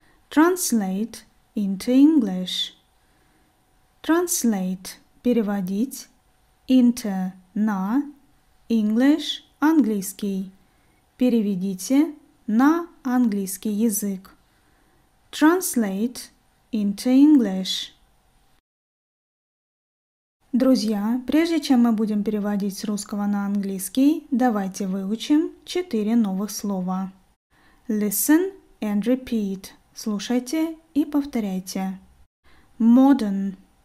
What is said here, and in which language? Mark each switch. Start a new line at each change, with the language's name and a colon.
English: Translate into English. Translate – переводить. Into – на.
Russian: English – английский. Переведите на английский язык.
English: Translate into English.
Russian: Друзья, прежде чем мы будем переводить с русского на английский, давайте выучим 4 новых слова.
English: Listen and repeat.
Russian: Слушайте и повторяйте.
English: Modern.